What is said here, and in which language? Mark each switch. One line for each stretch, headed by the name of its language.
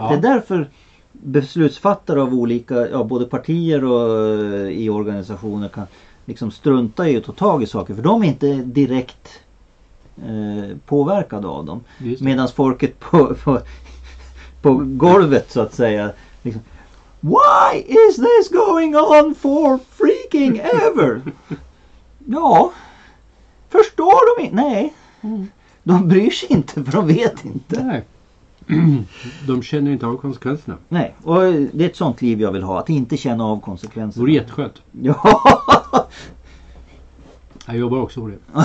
Swedish: Ja. Det är därför beslutsfattare av olika, ja, både partier och i organisationer kan liksom strunta i att ta tag i saker. För de är inte direkt påverkade av dem. Medan folket på golvet, så att säga.
English: Liksom, why is this going on for freaking ever?
Swedish: Ja. Förstår de inte? Nej. De bryr sig inte, för de vet inte. Nej. De känner inte av konsekvenserna. Nej. Och det är ett sånt liv jag vill ha. Att inte känna av konsekvenserna. Det vore jätteskönt. Ja. Jag jobbar också på det.